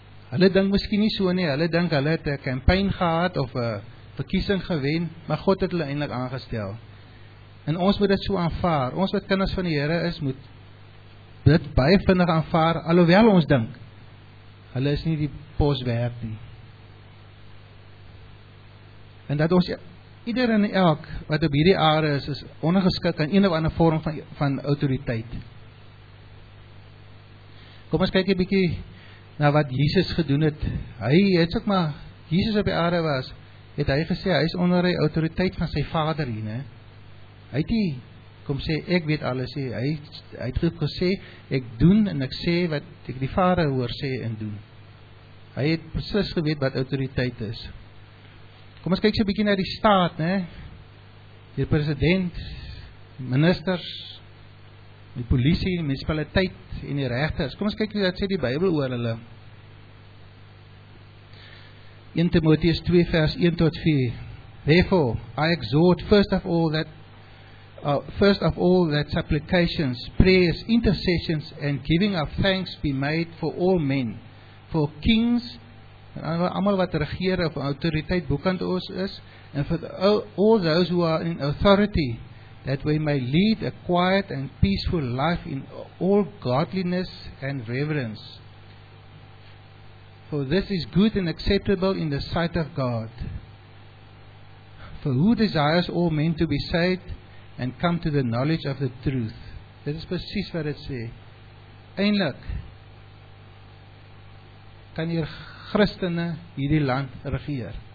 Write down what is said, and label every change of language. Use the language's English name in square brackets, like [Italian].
[Afrikaans] Hulle dink miskien nie so nie, hulle dink hulle het 'n campaign gehad of 'n verkiesing gewen, maar God het hulle eintlik aangestel. En ons moet dit so aanvaar. Ons wat kinders van die Here is, moet dit baie vinnig aanvaar, alhoewel ons dink hulle is nie die pos werd nie. En dat ons ieder en elk wat op hierdie aarde is, is ondergeskik aan een of ander vorm van autoriteit. Kom ons kyk 'n bietjie na wat Jesus gedoen het. Hy het ook maar Jesus op die aarde was, het hy gesê hy is onder die autoriteit van sy Vader hier, né? Hy het nie kom sê ek weet alles nie. Hy het gesê ek doen en ek sê wat ek die Vader hoor sê en doen. Hy het presies geweet wat autoriteit is. Kom ons kyk so 'n bietjie na die staat, né? Die president, ministers, die polisie, die munisipaliteit en die regters. Kom ons kyk wat sê die Bybel oor hulle. 1 Timoteus 2 vers 1 tot 4. [English] Therefore, I exhort first of all that supplications, prayers, intercessions and giving of thanks be made for all men, for kings, [Afrikaans] en almal wat regeer of autoriteit bokant ons is, [English] and for all those who are in authority, that we may lead a quiet and peaceful life in all godliness and reverence. For this is good and acceptable in the sight of God. For who desires all men to be saved and come to the knowledge of the truth? [Afrikaans] Dit is precies wat het sê. Eindelijk kan hier Christene hierdie land regeer.